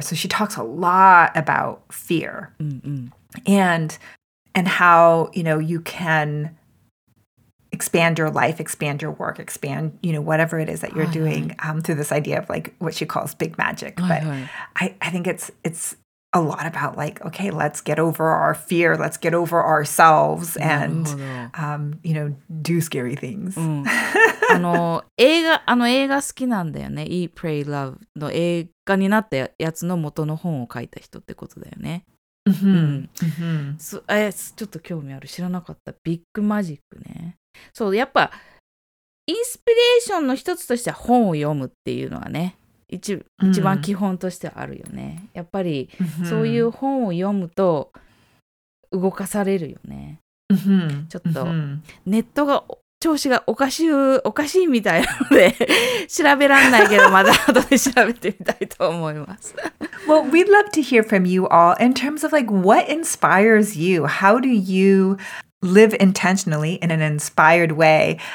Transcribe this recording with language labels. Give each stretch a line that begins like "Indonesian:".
English: So she talks a lot about fear and how, you know, you can expand your life, expand your work, expand, you know, whatever it is that you're doing through this idea of like what she calls big magic. But I think it's a lot about like, okay, let's get over our fear, let's get over ourselves and, you know, do scary things.
Japanese: あの映画好きなんだよね。 Eat, Pray, Love の映画になったやつの元の本を書いた人ってことだよね。ちょっと興味ある。知らなかった。ビッグマジックね。そう、やっぱインスピレーションの一つとしては本を読むっていうのはね、一番基本としてはあるよね。やっぱりそういう本を読むと動かされるよね。ちょっとネットが調子がおかしいみたいなので調べらんないけど、まだ後で調べてみたいと思います。
English: Well, we'd love to hear from you all in terms of like what inspires you? How do you live intentionally in an inspired way?